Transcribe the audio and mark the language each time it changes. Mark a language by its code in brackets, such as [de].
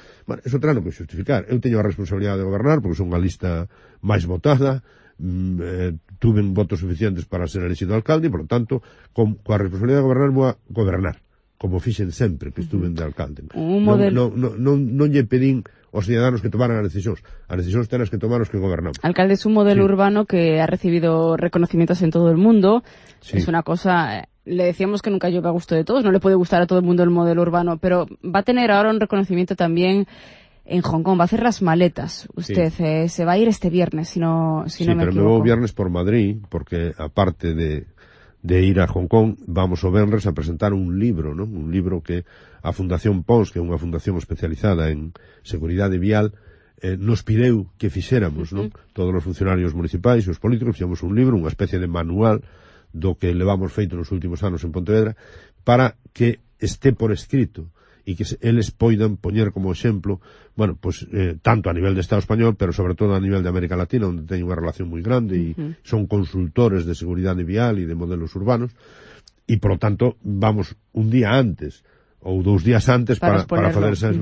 [gl] Bueno, eso terá no que justificar. Eu teño a responsabilidade de gobernar porque son a lista máis votada, tuve votos suficientes para ser elegido alcalde e, por tanto, coa responsabilidade de gobernar, vou a gobernar como fixen sempre que estuven de alcalde. Non lle pedín aos cidadanos que tomaran as decisións. As decisións tenas que tomar os que gobernamos. Alcalde, é un modelo urbano que ha recibido reconocimientos en todo o mundo. Sí. [es] Es una cosa, le decíamos que nunca llueve a gusto de todos, no le puede gustar a todo el mundo el modelo urbano, pero va a tener ahora un reconocimiento también en Hong Kong. Va a hacer las maletas usted. Sí. Se va a ir este viernes, si no me equivoco. Sí, pero me voy viernes por Madrid, porque aparte de ir a Hong Kong, [gl] vamos o venres [es] a presentar un libro, ¿no? [gl] Un libro que a Fundación PONS, que é unha fundación especializada en seguridade vial, nos pideu que fixéramos, ¿no? Todos os funcionarios municipais e os políticos, fixamos un libro, unha especie de manual do que levamos feito nos últimos anos en Pontevedra, para que este por escrito e que eles poidan poñer como exemplo, bueno, pues, tanto a nivel de Estado español, pero sobre todo a nivel de América Latina, onde teñen unha relación moi grande e son consultores de seguridade vial e de modelos urbanos, e, por lo tanto, vamos un día antes ou dous días antes para fazer esa...